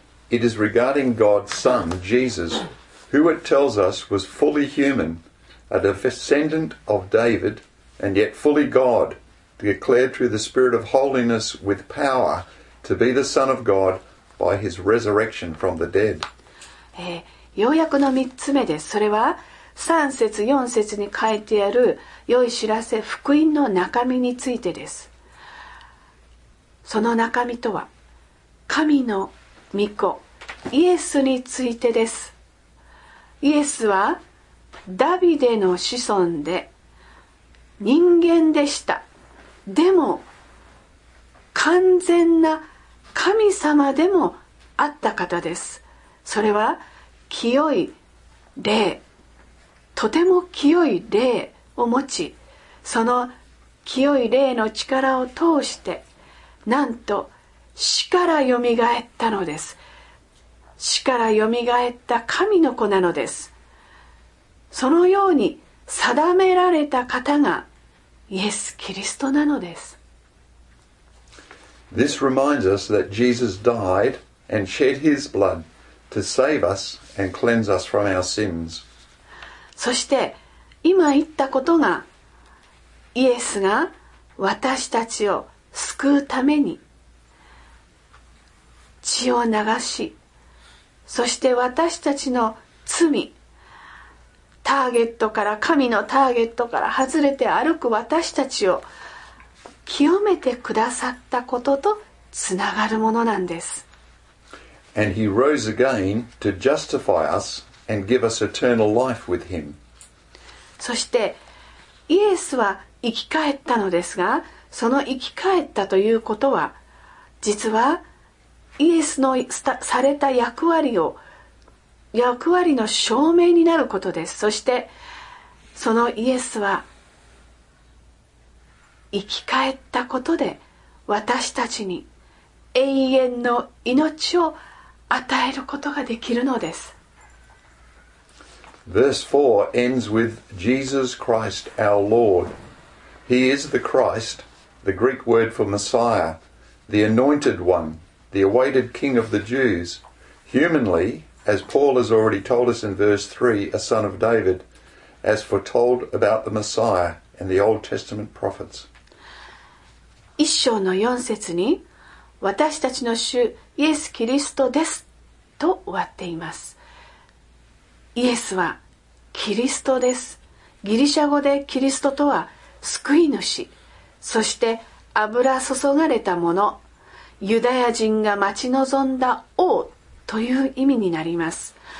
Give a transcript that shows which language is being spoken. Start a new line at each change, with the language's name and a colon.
English: It is regarding God's Son, Jesus, who it tells us was fully human, a descendant of David, and yet fully God, declared through the Spirit of holiness with power to be the Son of God by his resurrection from the dead.
Japanese: 要約の3つ目です。それは3節4節に書いてある良い知らせ、福音の中身についてです。その中身とは神の御子イエスについてです。イエスはダビデの子孫で人間でした。でも完全な神様でもあった方です。それは清い霊、とても清い霊を持ち、その清い霊の力を通してなんと死からよみがえったのです。死からよみがえった神の子なのです。そのように定められた方がイエス・キリストなのです。
English: This reminds us that Jesus died and shed his blood to save us and cleanse us from our sins.
Japanese: そして今言ったことがイエスが私たちを救うために血を流し、そして私たちの罪、ターゲットから、神のターゲットから外れて歩く私たちを清めてくださったこととつながるものなんです。
English: And he rose again to justify us and give us eternal life with him.
Japanese: そしてイエスは生き返ったのですが、その生き返ったということは、実はイエスのされた役割を役割の証明になることです。そしてそのイエスは生き返ったことで私たちに永遠の命を与えることができるのです。
English: Verse 4 ends with Jesus Christ our Lord. He is the Christ, the Greek word for Messiah, the anointed one, the awaited King of the Jews. Humanly, as Paul has already told us in verse 3, a son of David, as foretold about the Messiah and the Old Testament prophets.
Japanese: 一章の4節に、私たちの主イエス・キリストですと終わっています。イエスはキリストです。ギリシャ語でキリストとは救い主、そして油注がれた者、ユダヤ人が待ち望んだ王という意味になります。